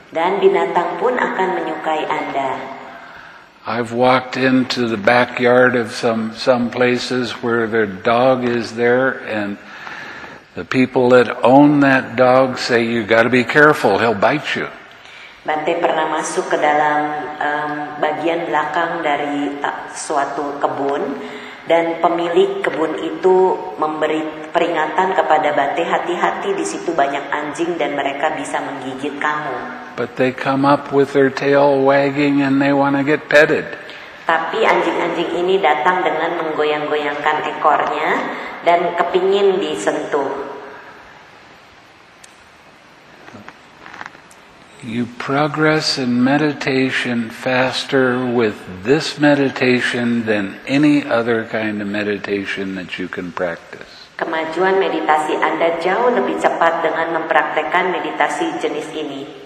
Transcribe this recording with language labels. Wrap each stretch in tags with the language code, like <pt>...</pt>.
<id>Dan binatang pun akan menyukai Anda.</id> <en>I've walked into the backyard of some places where their dog is there, and the people that own that dog say, "You got to be careful; he'll bite you."</en> <id>Bante pernah masuk ke dalam bagian belakang dari suatu kebun, dan pemilik kebun itu memberi peringatan kepada Bante, hati-hati di situ banyak anjing dan mereka bisa menggigit kamu.</id> <en>But they come up with their tail wagging and they want to get petted.</en> <id>Tapi anjing-anjing ini datang dengan menggoyang-goyangkan ekornya dan kepingin disentuh.</id> <en>you progress in meditation faster with this meditation than any other kind of meditation that you can practice.</en> <id>Kemajuan meditasi Anda jauh lebih cepat dengan mempraktikkan meditasi jenis ini.</id>